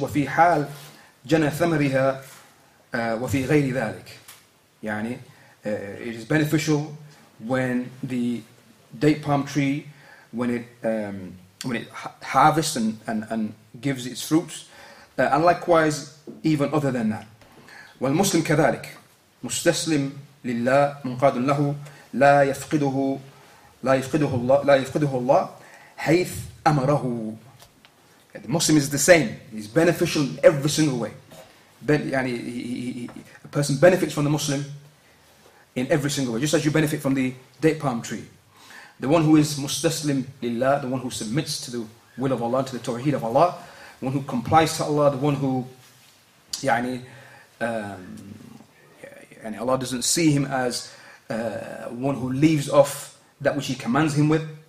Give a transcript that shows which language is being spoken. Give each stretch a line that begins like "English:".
Arabic: وفي حال جنى ثمرها وفي غير ذلك.
English: يعني, it is beneficial when the date palm tree, when it harvests and gives its fruits, and likewise even other than that.
Arabic: والمسلم كذلك مستسلم لله منقاد له لا يفقده الله حيث أمره.
English: The Muslim is the same. He's beneficial in every single way. A person benefits from the Muslim in every single way, just as you benefit from the date palm tree. The one who is mustaslim lillah, the one who submits to the will of Allah, to the tawheed of Allah, the one who complies to Allah, the one who, Allah doesn't see him as one who leaves off that which he commands him with.